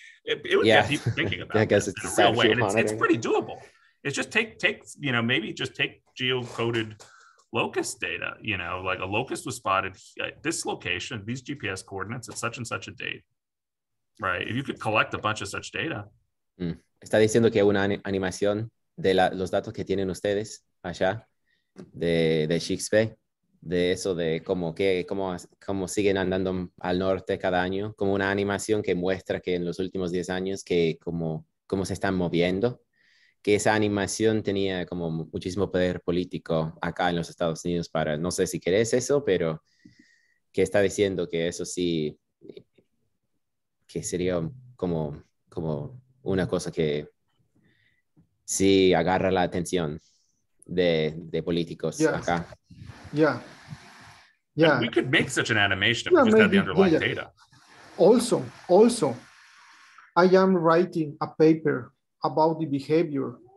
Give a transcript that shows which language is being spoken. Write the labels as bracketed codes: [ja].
[en] But it would get people thinking about it. I guess it's a real way. It's pretty doable. It's just take, you know, maybe just take geocoded locust data, you know, like a locust was spotted at this location, these GPS coordinates at such and such a date. Right. If you could collect a bunch of such data. [es] Está diciendo que una animación de los datos que tienen ustedes allá de Shakespeare, de eso de cómo siguen andando al norte cada año, como una animación que muestra que en los últimos 10 años que cómo se están moviendo, que esa animación tenía como muchísimo poder político acá en los Estados Unidos para, no sé si querés eso, pero que está diciendo que eso sí, que sería como una cosa que sí agarra la atención de políticos acá. [en] Yeah. We could make such an animation if we just had the underlying data. Also, I am writing a paper about the behavior.